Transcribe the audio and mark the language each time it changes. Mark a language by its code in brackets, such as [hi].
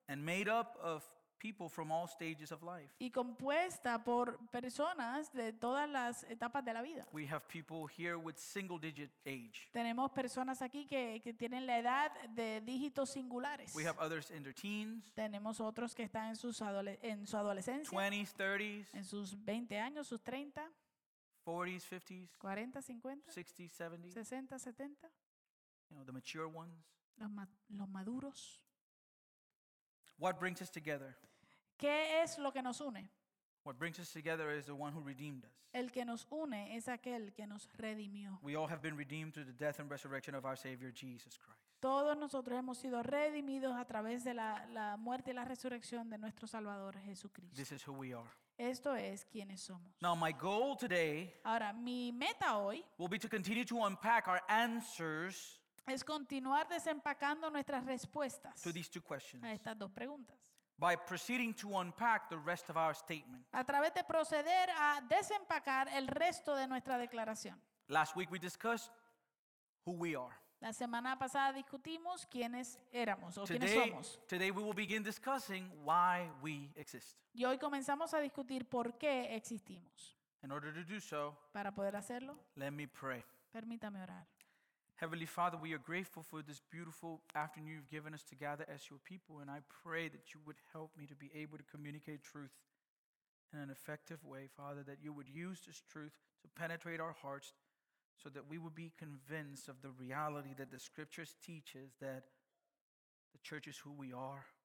[en] And made up of people from all stages of life. [es] Y compuesta por personas de todas las etapas de la vida. [en] We have people here with single digit age. [es] Tenemos personas aquí que tienen la edad de dígitos singulares. [en] We have others in their teens. [es] Tenemos otros que están en su adolescencia. [en] 20s, 30s. [es] En sus 20 años, sus 30. [en] 40s, 50s. [es] 40, 50. [en] 60s, 70s. [es] 60, 70. [en] You know, the mature ones. [es] Los maduros. [en] What brings us together? [es] ¿Qué es lo que nos une? [en] What brings us together is the one who redeemed us. [es] El que nos une es aquel que nos redimió. [en] We all have been redeemed through the death and resurrection of our Savior Jesus Christ. [es] Todos nosotros hemos sido redimidos a través de la muerte y la resurrección de nuestro Salvador Jesucristo. [en] This is who we are. [es] Esto es quienes somos. [en] Now my goal today, [es] ahora mi meta hoy, [en] will be to continue to unpack our answers. [es] Es continuar desempacando nuestras respuestas [en] to these two questions. [es] A estas dos preguntas. [en] By proceeding to unpack the rest of our statement. [es] A través de proceder a desempacar el resto de nuestra declaración. [en] Last week we discussed who we are. [es] La semana pasada discutimos quiénes éramos o [en] today, [es] quiénes somos. [en] Today we will begin discussing why we exist. [es] Y hoy comenzamos a discutir por qué existimos. [en] In order to do so, [es] para poder hacerlo, [en] let me pray. [es] Permítame orar. [en] Heavenly Father, we are grateful for this beautiful afternoon you've given us to gather as your people, and I pray that you would help me to be able to communicate truth in an effective way, Father, that you would use this truth to penetrate our hearts so that we would be convinced of the reality that the Scriptures teaches that the church is who we are.